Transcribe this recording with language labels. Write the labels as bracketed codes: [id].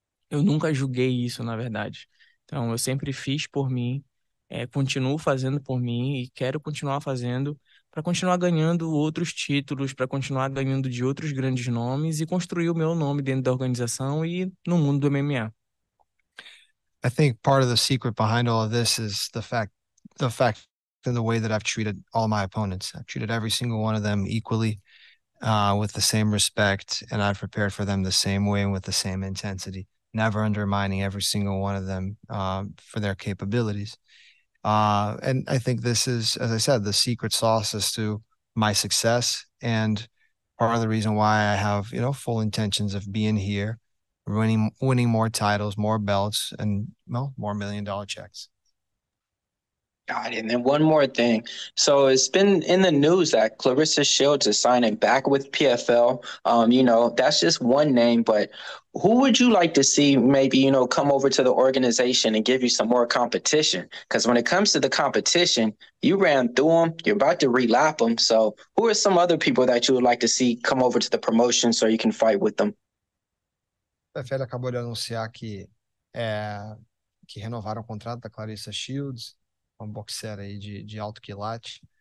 [pt] Eu nunca julguei isso, na verdade. Então, eu sempre fiz por mim, continuo fazendo por mim e quero continuar fazendo para continuar ganhando outros títulos, para continuar ganhando de outros grandes nomes e construir o meu nome dentro da organização e no mundo do MMA. [en] I think part of the secret behind all of this is the fact and the way that I've treated all my opponents. I've treated every single one of them equally, with the same respect, and I've prepared for them the same way and with the same intensity, never undermining every single one of them for their capabilities. And I think this is, as I said, the secret sauce as to my success and part of the reason why I have, full intentions of being here. Winning more titles, more belts, and well, more million-dollar checks. God, and then one more thing. So it's been in the news that Clarissa Shields is signing back with PFL. That's just one name, but who would you like to see maybe, come over to the organization and give you some more competition? Because when it comes to the competition, you ran through them, you're about to relap them. So who are some other people that you would like to see come over to the promotion so you can fight with them? [pt] O PFL acabou de anunciar que renovaram o contrato da Clarissa Shields, uma boxeira aí de alto quilate.